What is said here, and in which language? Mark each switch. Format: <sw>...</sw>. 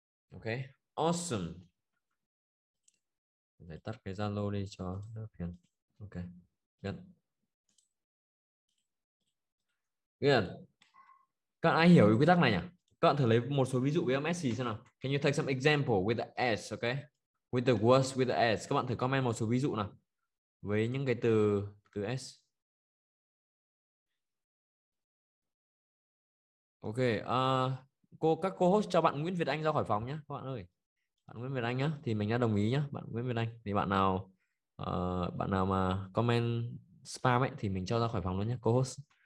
<en>Ok, awesome.</en> <vi>Để tắt cái Zalo đi cho đỡ phiền. Ok, good. Good. Các bạn ai hiểu quy tắc này nhỉ? Các bạn thử lấy một số ví dụ với âm S xem nào.</vi> <en>Can you take some example with the S, okay? With the words with the S.</en> <vi>Các bạn thử comment một số ví dụ nào. Với những cái từ S. Ok, các cô host cho bạn Nguyễn Việt Anh ra khỏi phòng nhé, các bạn ơi. Bạn Nguyễn Việt Anh nhá, thì mình đã đồng ý nhá, bạn Nguyễn Việt Anh. Thì bạn nào mà comment spam ấy thì mình cho ra khỏi phòng luôn nhé, cô host.</vi>